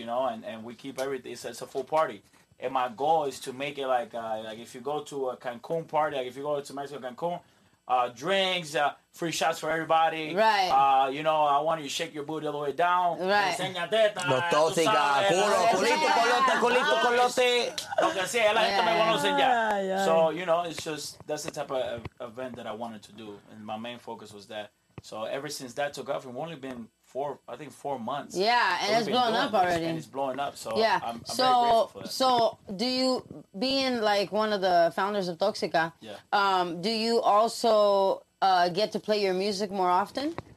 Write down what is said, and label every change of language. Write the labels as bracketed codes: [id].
[en] and we keep everything. It's a full party. And my goal is to make it like if you go to a Cancun party, like if you go to Mexico, Cancun, drinks, free shots for everybody. Right. I want you to shake your booty all the way down. Right. [es] Enseña teta. Los tóxicas. Puro. Culito, colote, culito, colote. Porque así es, la gente me conoce ya. [en] So, it's just, that's the type of event that I wanted to do. And my main focus was that. So ever since that took off, we've only been four months. Yeah, and it's blown up already. And it's blowing up, so yeah. I'm very grateful for that. So do you, being like one of the founders of Toxica, do you also get to play your music more often?